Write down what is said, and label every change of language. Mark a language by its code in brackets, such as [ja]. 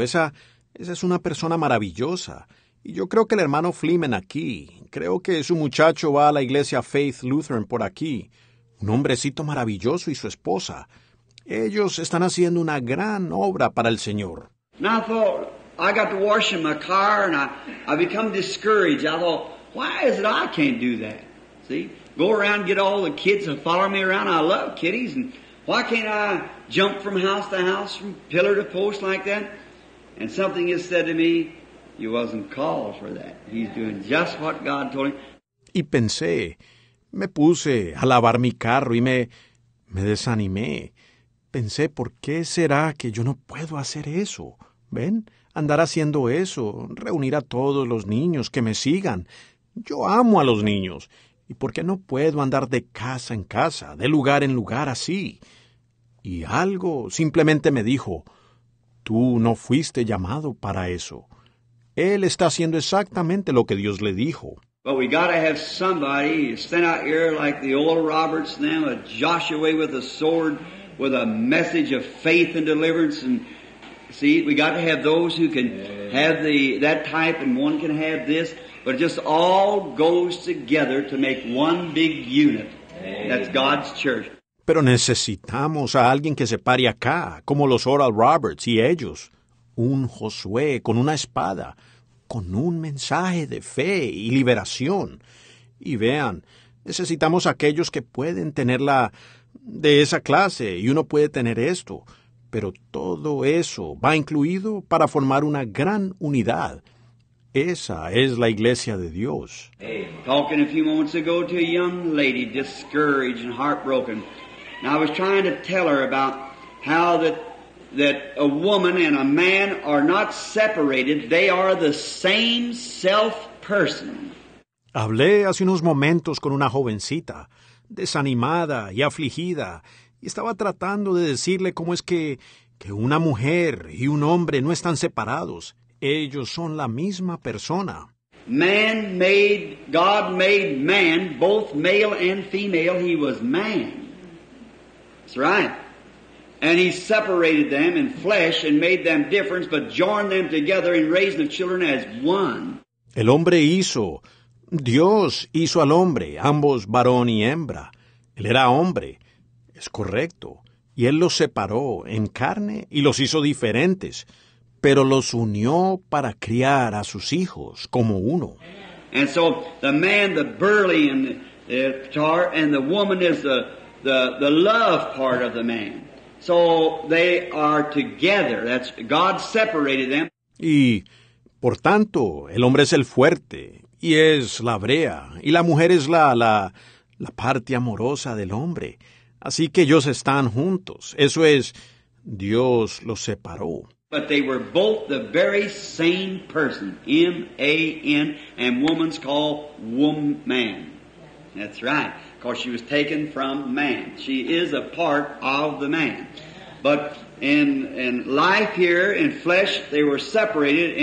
[es] Esa es una persona maravillosa. Y yo creo que el hermano Fleeman aquí, creo que su muchacho va a la iglesia Faith Lutheran por aquí. Un hombrecito maravilloso y su esposa. Ellos están haciendo una gran obra para el Señor. [en] And I thought, I got to wash in my car and I become discouraged. I thought, why is it I can't do that? See? Go around, get all the kids and follow me around. I love kiddies. And why can't I jump from house to house, from pillar to post like that? And something is said to me, you wasn't called for that. He's doing just what God told him. [es] Y pensé, me puse a lavar mi carro y me desanimé. Pensé, ¿por qué será que yo no puedo hacer eso? ¿Ven? Andar haciendo eso, reunir a todos los niños que me sigan. Yo amo a los niños. ¿Y por qué no puedo andar de casa en casa, de lugar en lugar así? Y algo simplemente me dijo, tú no fuiste llamado para eso. Él está haciendo exactamente lo que Dios le dijo. [en] But we gotta have somebody stand out here like the old Roberts now, a Joshua with a sword, with a message of faith and deliverance. And see, we gotta have those who can have that type, and one can have this. But it just all goes together to make one big unit. Amen. That's God's church. [es] Pero necesitamos a alguien que se pare acá, como los Oral Roberts y ellos. Un Josué con una espada, con un mensaje de fe y liberación. Y vean, necesitamos aquellos que pueden tenerla de esa clase, y uno puede tener esto, pero todo eso va incluido para formar una gran unidad. Esa es la iglesia de Dios. [en] Talking a few moments ago to a young lady, discouraged and heartbroken. And I was trying to tell her about how that a woman and a man are not separated. They are the same self person. [es] Hablé hace unos momentos con una jovencita, desanimada y afligida, y estaba tratando de decirle cómo es que una mujer y un hombre no están separados. Ellos son la misma persona. [en] Man made, God made man, both male and female, he was man. That's right. And he separated them in flesh and made them different, but joined them together in raising the children as one. [es] El hombre hizo, Dios hizo al hombre, ambos varón y hembra. Él era hombre, es correcto, y él los separó en carne y los hizo diferentes, pero los unió para criar a sus hijos como uno. [en] And so the man, the burly and the tar, and the woman is the love part of the man. So they are together. That's God separated them. [es] Y por tanto, el hombre es el fuerte y es la brea, y la mujer es la parte amorosa del hombre. Así que ellos están juntos. Eso es, Dios los separó. [en] But they were both the very same person, M-A-N, and woman's called woman. That's right, because she was taken from man. She is a part of the man. But in life here, in flesh, they were separated.